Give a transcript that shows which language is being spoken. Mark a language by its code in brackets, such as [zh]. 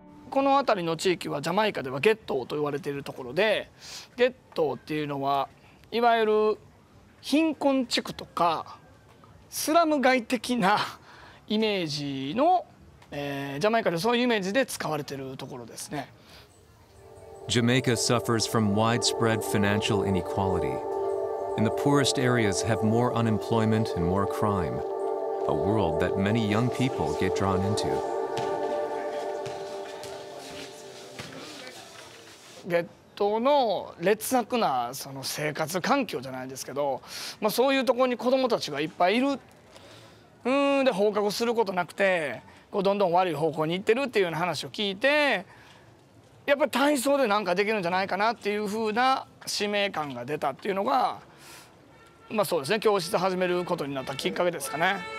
[ja] この辺りの地域はジャマイカではゲットーと言われているところで、ゲットーっていうのはいわゆる貧困地区とかスラム街的なイメージの、ジャマイカでそういうイメージで使われているところですね。 [en] Jamaica suffers from widespread financial inequality, and the poorest areas have more unemployment and more crime, a world that many young people get drawn into. [ja] ゲットーの劣悪なその生活環境じゃないですけど、まあ、そういうところに子どもたちがいっぱいいる。で放課後することなくて、こうどんどん悪い方向に行ってるっていうような話を聞いて、やっぱり体操で何かできるんじゃないかなっていうふうな使命感が出たっていうのが、まあそうですね、教室始めることになったきっかけですかね。